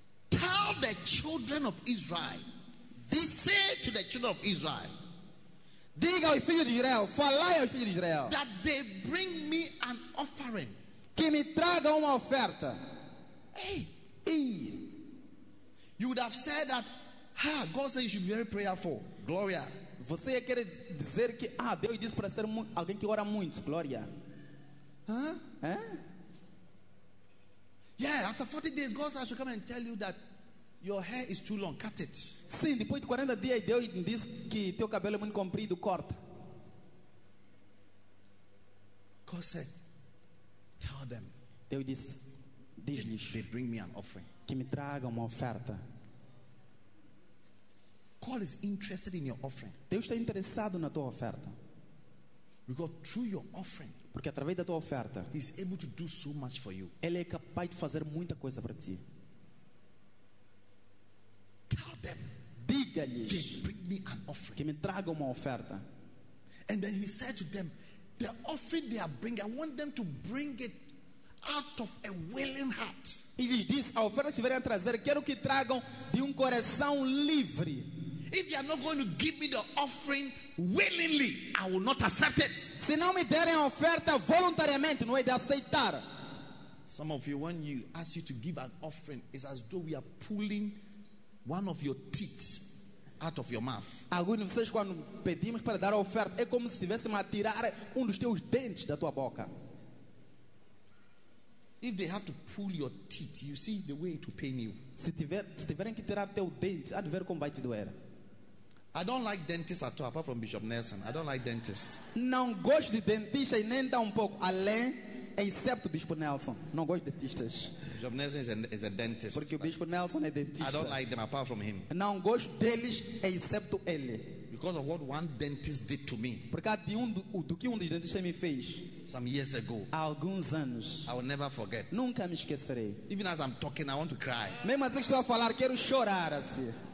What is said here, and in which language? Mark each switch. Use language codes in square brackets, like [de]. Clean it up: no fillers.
[en] tell the children of Israel, say to the children of Israel, [pt] diga ao filho de Israel, falai ao filho de Israel, [en] that they bring me an offering, [pt] que me traga uma oferta. [en] Hey, you would have said that, ah, God said you should be very prayerful. [pt] Gloria. Você ia querer dizer que Deus disse para ser alguém que ora muito. Gloria. [en] Yeah, after 40 days, God said I should come and tell you that your hair is too long. Cut it. [pt] Sim, depois de 40 dias, Deus disse que teu cabelo é muito comprido. Corta. [en] God said, tell them. [pt] Deus disse, diz-lhes. [en] They bring me an offering. [pt] Que me traga uma oferta. [en] God is interested in your offering. [pt] Deus está interessado na tua oferta. [en] Because through your offering, [pt] porque através da tua oferta, [en] he is able to do so much for you. [pt] Ele é capaz de fazer muita coisa para ti. [en] Tell them, [pt] diga-lhes, [en] they bring me an offering. [pt] Que me traga uma oferta. [en] And then he said to them, the offering they are bringing, I want them to bring it out of a willing heart. [pt] E lhes diz, a oferta que vierem trazer, quero que tragam de coração livre. [en] If you are not going to give me the offering willingly, I will not accept it. [pt] Se não me derem a oferta voluntariamente, não hei de aceitar. [en] Some of you, when you ask you to give an offering, it's as though we are pulling one of your teeth out of your mouth. [pt] Alguns de vocês, quando pedimos para dar a oferta, é como se estivéssemos a tirar dos teus dentes da tua boca. [en] If they have to pull your teeth, you see the way it will pain you. [pt] Se tiverem que tirar teu dente, há de ver como vai te doer. [en] I don't like dentists at all, apart from Bishop Nelson. I don't like dentists. [pt] Não gosto de dentistas nem tão pouco, além, exceto Bishop Nelson. Não gosto de dentistas. [en] Bishop Nelson is a dentist. [pt] Porque o Bishop Nelson é dentista. [en] I don't like them, apart from him. [pt] Não gosto deles, exceto ele. [en] Because of what one dentist did to me. [pt] Por causa do que dos dentistas me fez. [en] Some years ago. [pt] Há alguns anos. [en] I will never forget. [pt] Nunca me esquecerei. [en] Even as I'm talking, I want to cry. [pt] Mesmo assim que estou a falar, quero chorar assim.